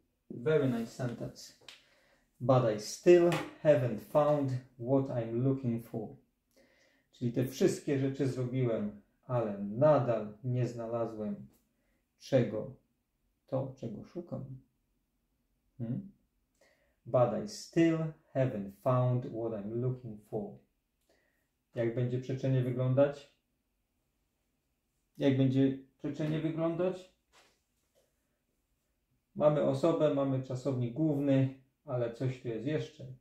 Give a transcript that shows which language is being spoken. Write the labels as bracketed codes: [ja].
[en] Very nice sentence. But I still haven't found what I'm looking for. [pl] Czyli te wszystkie rzeczy zrobiłem, ale nadal nie znalazłem. Czego? To, czego szukam. [en] But I still haven't found what I'm looking for. [pl] Jak będzie przeczenie wyglądać? Jak będzie przeczenie wyglądać? Mamy osobę, mamy czasownik główny, ale coś tu jest jeszcze.